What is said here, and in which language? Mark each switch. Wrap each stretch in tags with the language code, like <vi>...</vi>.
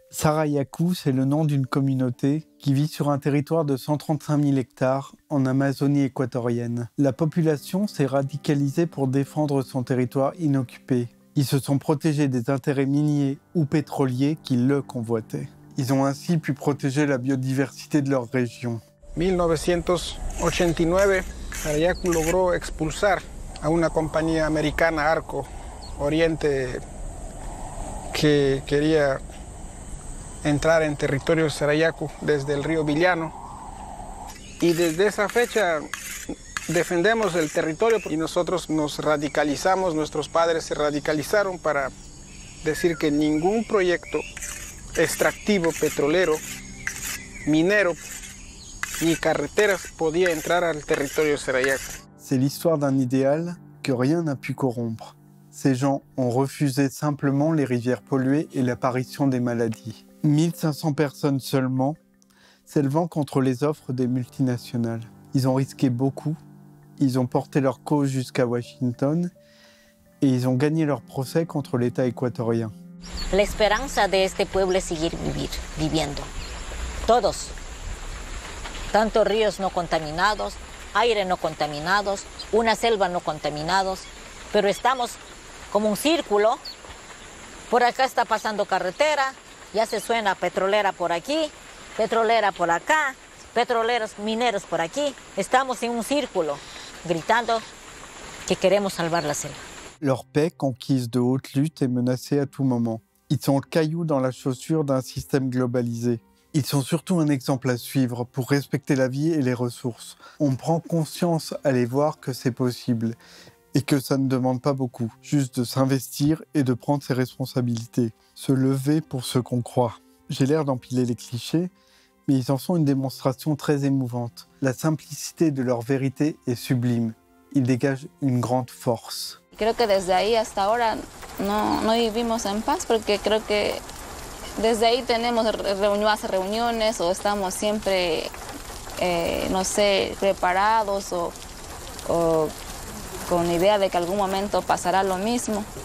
<fr>Sarayaku, c'est le nom d'une communauté qui vit sur un territoire de 135 000 hectares en Amazonie équatorienne. La population s'est radicalisée pour défendre son territoire inoccupé. Ils se sont protégés des intérêts miniers ou pétroliers qui le convoitaient. Ils ont ainsi pu protéger la biodiversité de leur région.</fr> <es>En 1989, Sarayaku logró expulsar a una compañía americana Arco Oriente que quería entrar en territorio sarayaku desde el río Villano. Y desde esa fecha defendemos el territorio y nosotros nos radicalizamos, nuestros padres se radicalizaron para decir que ningún proyecto extractivo, petrolero, minero ni carreteras podía entrar al territorio sarayaku.</es> <fr>C'est l'histoire d'un idéal que rien n'a pu corrompre. Ces gens ont refusé simplement les rivières polluées et l'apparition des maladies. 1500 personnes seulement s'élevant contre les offres des multinationales. Ils ont risqué beaucoup, ils ont porté leur cause jusqu'à Washington et ils ont gagné leur procès contre l'État équatorien. L'espérance de ce peuple est de</fr> <es>seguir viviendo. Todos. Tantos ríos no contaminados, aire no contaminados, una selva no contaminados, pero estamos como un círculo. Por acá está pasando carretera, ya se suena petrolera por aquí, petrolera por acá, petroleros, mineros por aquí. Estamos en un círculo, gritando que queremos salvar la selva.</es> <fr>Leur paix, conquise de haute lutte, est menacée à tout moment. Ils sont le caillou dans la chaussure d'un système globalisé. Ils sont surtout un exemple à suivre pour respecter la vie et les ressources. On prend conscience à les voir que c'est possible et que ça ne demande pas beaucoup, juste de s'investir et de prendre ses responsabilités, se lever pour ce qu'on croit. J'ai l'air d'empiler les clichés, mais ils en sont une démonstration très émouvante. La simplicité de leur vérité est sublime. Ils dégagent une grande force. Je crois que depuis là jusqu'à maintenant, nous ne vivons pas en paix, parce que je crois que</fr> <es>desde ahí tenemos más reuniones o estamos siempre, no sé, preparados o con idea de que algún momento pasará lo mismo.</es>